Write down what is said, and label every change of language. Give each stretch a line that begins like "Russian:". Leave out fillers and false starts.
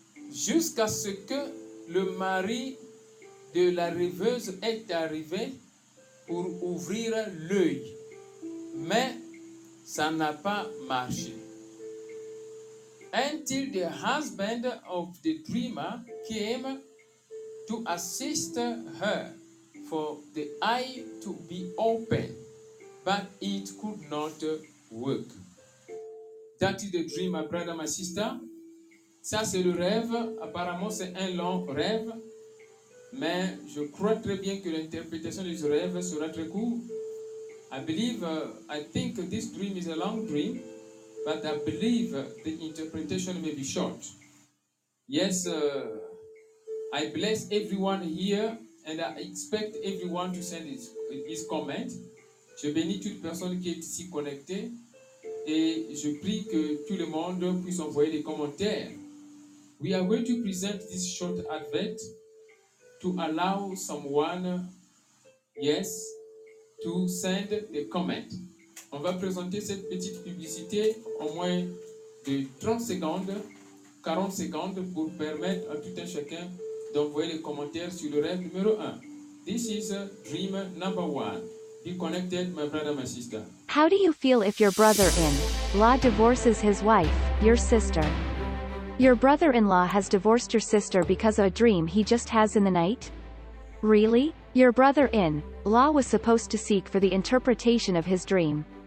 French: Jusqu'à ce que le mari de la rêveuse est arrivé pour ouvrir l'œil, mais ça n'a pas marché.
English: Until the husband of the dreamer came to assist her for the eye to be open, but it could not work. That is the dream, my brother, my sister.
French: Ça, c'est le rêve. Apparemment, c'est un long rêve. Mais je crois très bien que l'interprétation de ce rêve sera très courte.
English: I think this dream is a long dream, but I believe the interpretation may be short. Yes, I bless everyone here, and I expect everyone to send his comment.
French: Je bénis toute personne qui est ici connectée, et je prie que tout le monde puisse envoyer des commentaires.
English: We are going to present this short advert to allow someone, yes, to send the comment.
French: On va présenter cette petite publicité au moins de 30 secondes, 40 secondes pour permettre à tout un chacun d'envoyer les commentaires sur le rêve numéro 1.
English: This is dream number 1. Be connected, my brother, my sister. How do you feel if your brother-in-law divorces his wife, your sister? Your brother-in-law has divorced your sister because of a dream he just has in the night? Really? Your brother-in-law was supposed to seek for the interpretation of his dream.